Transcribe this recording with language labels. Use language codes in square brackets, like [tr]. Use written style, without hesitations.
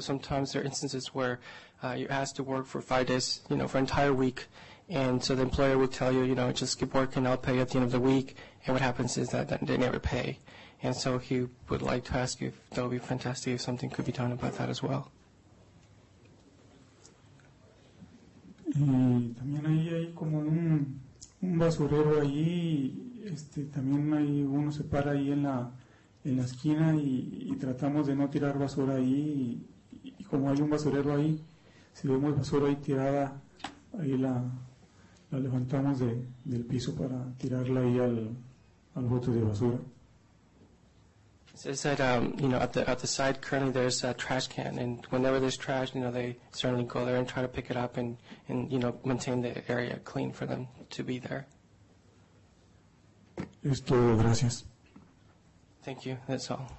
[en] Sometimes there are instances where you're asked to work for 5 days, you know, for an entire week, and so the employer will tell you, you know, just keep working, I'll pay you at the end of the week, and what happens is that they never pay. And so he would like to ask you if that would be fantastic if something could be done about that as well. [es] También ahí hay como un basurero ahí, también hay uno se para ahí en la esquina y tratamos de no tirar basura ahí y como hay un basurero ahí, si vemos basura ahí tirada, ahí la levantamos del piso para tirarla ahí al bote de basura. [en] It says that you know, at the side currently there's a trash can, and whenever there's trash, you know, they certainly go there and try to pick it up and you know, maintain the area clean for them to be there. [es] Es todo, gracias. [en] Thank you. That's all.